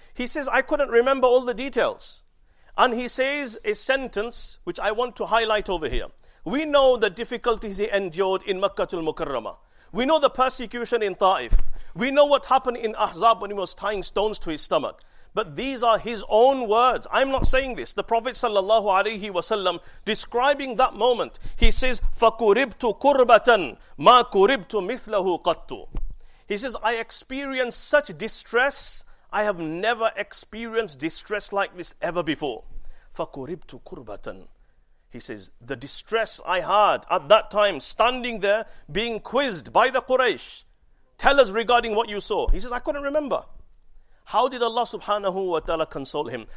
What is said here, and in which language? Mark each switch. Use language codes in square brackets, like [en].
[en] He says, I couldn't remember all the details. And he says a sentence which I want to highlight over here. We know the difficulties he endured in Makkatul Mukarramah. We know the persecution in Ta'if. We know what happened in Ahzab when he was tying stones to his stomach. But these are his own words. I'm not saying this. The Prophet sallallahu alayhi wa sallam describing that moment. He says, [ar] فَكُرِبْتُ كُرْبَةً مَا كُرِبْتُ مِثْلَهُ قَطُّ. [en] He says, I experienced such distress. I have never experienced distress like this ever before. [ar] فَكُرِبْتُ كُرْبَةً. [en] He says, the distress I had at that time, standing there, being quizzed by the Quraysh. Tell us regarding what you saw. He says, I couldn't remember. How did Allah subhanahu wa ta'ala console him?